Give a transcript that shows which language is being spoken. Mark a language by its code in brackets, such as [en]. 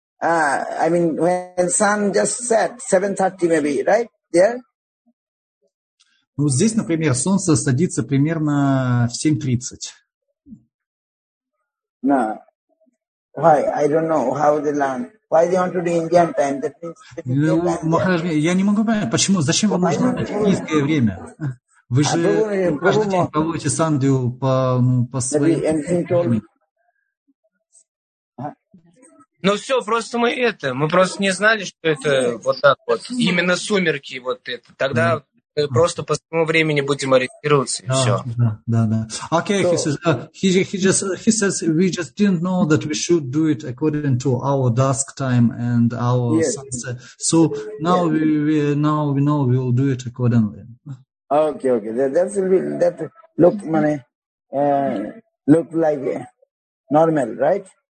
[en] I mean, when sun just set, 7:30 maybe, right? There? [ru] Ну, здесь, например, солнце садится примерно в 7:30. [en] No. Why? I don't know how they learn. Why they want to do Indian time? That means [ru] Махарадж, я не могу понять, почему, зачем вам нужно индийское время? Вы же каждый день проводите сандью по своему. Ну все, просто мы просто не знали, что это вот так вот, именно сумерки вот это. Тогда просто по своему времени будем ориентироваться, и да, все. Да, да, да. [en] Окей, he says, we just didn't know that we should do it according to our dusk time and our sunset. So now we know we will do it accordingly. Okay, okay. That looks like normal, right?